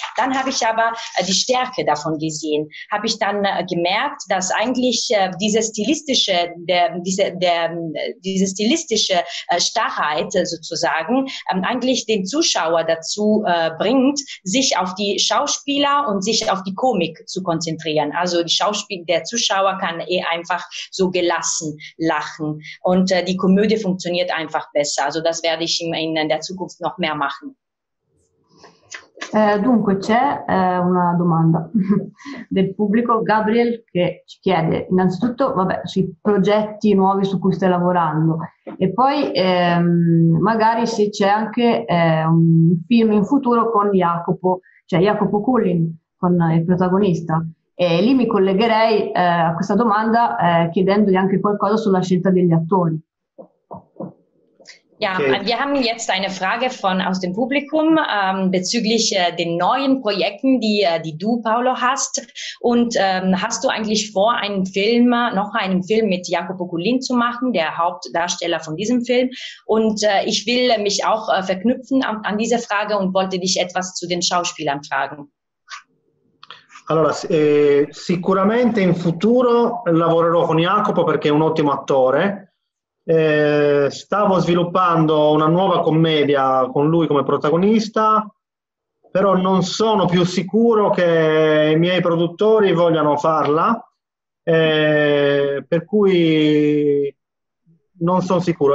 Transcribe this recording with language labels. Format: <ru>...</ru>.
<de>Dann habe ich aber die Stärke davon gesehen. Habe ich dann gemerkt, dass eigentlich diese stilistische Starrheit sozusagen eigentlich den Zuschauer dazu bringt, sich auf die Schauspieler und sich auf die Komik zu konzentrieren. Also der Zuschauer kann einfach so gelassen lachen und die Komödie funktioniert einfach besser. Also das werde ich in der Zukunft noch mehr machen.</de> <it>Dunque c'è una domanda del pubblico, Gabriel, che ci chiede innanzitutto sui progetti nuovi su cui stai lavorando e poi magari se c'è anche un film in futuro con Jacopo Cullin, con il protagonista. E lì mi collegherei a questa domanda chiedendogli anche qualcosa sulla scelta degli attori.</it> <de>Ja, okay. Wir haben jetzt eine Frage aus dem Publikum bezüglich den neuen Projekten, die du, Paolo, hast. Und hast du eigentlich vor, noch einen Film mit Jacopo Cullin zu machen, der Hauptdarsteller von diesem Film? Und ich will mich auch verknüpfen an diese Frage und wollte dich etwas zu den Schauspielern fragen.</de> <it>Allora, sicuramente in futuro lavorerò con Jacopo perché è un ottimo attore. Stavo sviluppando una nuova commedia con lui come protagonista, però non sono più sicuro che i miei produttori vogliano farla, per cui non sono sicuro.</it>